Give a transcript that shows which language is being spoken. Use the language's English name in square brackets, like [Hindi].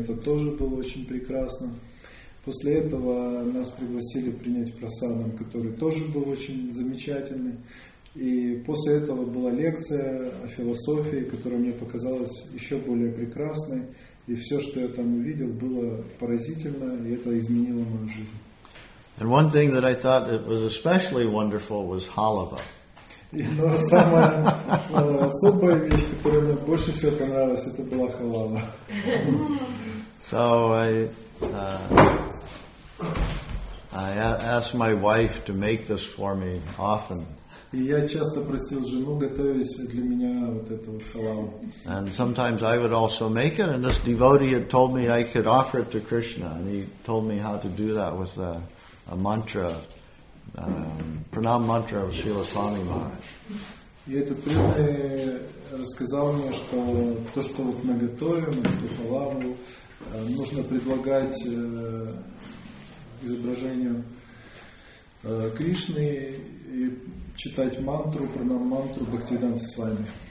[Russian] Это тоже было очень прекрасно. После этого нас пригласили принять прасадам, который тоже был очень замечательный. И после этого была лекция о философии, которая мне показалась еще более прекрасной. И все, что я там увидел, было поразительно, и это изменило мою жизнь. [English] And one thing that I thought it was especially wonderful was halava. [Russian] Но самая особая вещь, которая мне больше всего понравилась, это была халава. [English] So I asked my wife to make this for me often. [Russian] И я часто просил жену готовить для меня вот эту халаву. [English] And sometimes I would also make it, and this devotee had told me I could offer it to Krishna, and he told me how to do that with a mantra, pranam mantra of Srila Swami Maharaj. [Russian] И этот преданный рассказал мне, что то, что вот мы готовим, эту халаву, нужно предлагать изображению Кришны и читать мантру, пранам мантру Бхактиданта с вами.